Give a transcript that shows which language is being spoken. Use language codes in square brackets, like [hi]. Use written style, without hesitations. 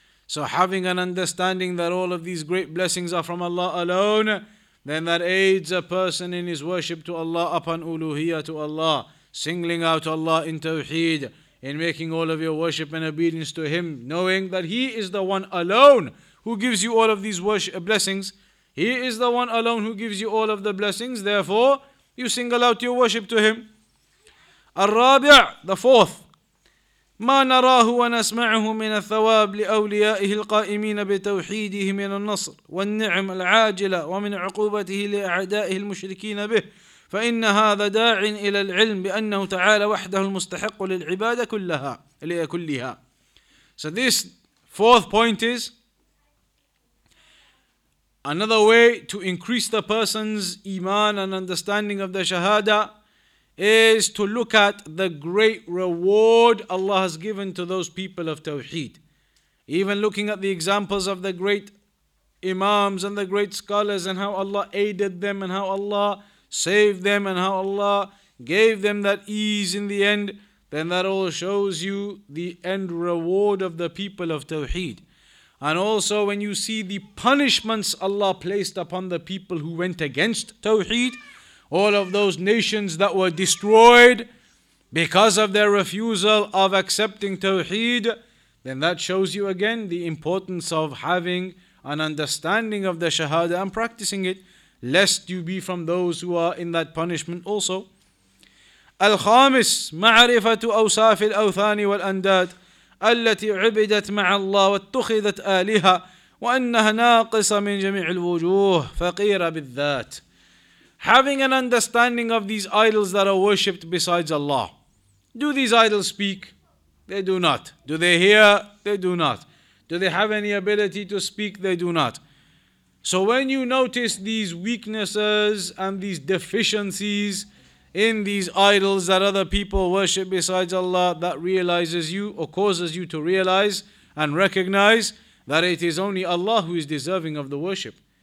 [en] So having an understanding that all of these great blessings are from Allah alone, then that aids a person in his worship to Allah upon Uluhiyah to Allah, singling out Allah in Tawheed, in making all of your worship and obedience to Him, knowing that He is the one alone who gives you all of these blessings. He is the one alone who gives you all of the blessings. Therefore, you single out your worship to Him. Al-Rabi', the fourth. [ar] مَا نَرَاهُ وَنَسْمَعُهُ مِنَ الثَّوَابِ لِأَوْلِيَائِهِ الْقَائِمِينَ بِتَوْحِيدِهِ مِنَ النَّصْرِ وَالنِّعْمِ الْعَاجِلَةِ وَمِنْ عُقُوبَتِهِ لِأَعْدَائِهِ الْمُشْرِكِينَ بِهِ فإن هذا داع إلى العلم بأنه تعالى وحده المستحق للعبادة كلها لكلها. [en] So this fourth point is another way to increase the person's iman and understanding of the shahada is to look at the great reward Allah has given to those people of tawheed. Even looking at the examples of the great imams and the great scholars and how Allah aided them and how Allah save them and how Allah gave them that ease in the end, then that all shows you the end reward of the people of Tawheed. And also when you see the punishments Allah placed upon the people who went against Tawheed, all of those nations that were destroyed because of their refusal of accepting Tawheed, then that shows you again the importance of having an understanding of the Shahada and practicing it, lest you be from those who are in that punishment also. [ar] Al-Khamis, معرفة أوصاف الأوثان والأنداد التي عبدت مع الله واتخذت آلهة وأنها ناقصة من جميع الوجوه فقيرة بالذات. [en] Having an understanding of these idols that are worshipped besides Allah, Do these idols speak? They do not. Do they hear? They do not. Do they have any ability to speak? They do not. So when you notice these weaknesses and these deficiencies in these idols that other people worship besides Allah, that realizes you or causes you to realize and recognize that it is only Allah who is deserving of the worship.